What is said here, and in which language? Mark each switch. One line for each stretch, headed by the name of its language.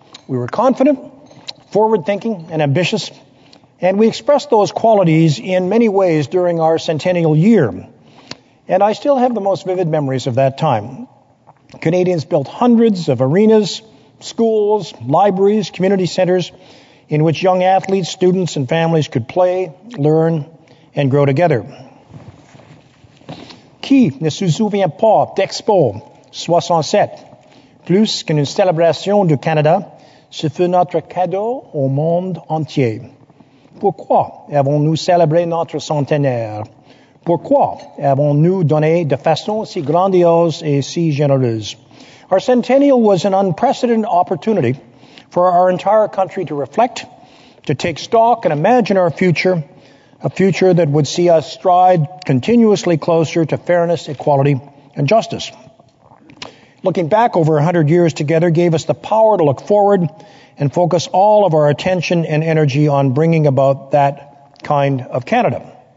English: We were confident, forward-thinking, and ambitious, and we expressed those qualities in many ways during our centennial year. And I still have the most vivid memories of that time. Canadians built hundreds of arenas, schools, libraries, community centers in which young athletes, students, and families could play, learn, and grow together.
French: Qui ne se souvient pas d'Expo 67, plus qu'une célébration du Canada, ce fut notre cadeau au monde entier. Pourquoi avons-nous célébré notre centenaire? Pourquoi avons-nous donné de façon si grandiose et si généreuse?
English: Our centennial was an unprecedented opportunity for our entire country to reflect, to take stock and imagine our future, a future that would see us stride continuously closer to fairness, equality, and justice. Looking back over 100 years together gave us the power to look forward and focus all of our attention and energy on bringing about that kind of Canada.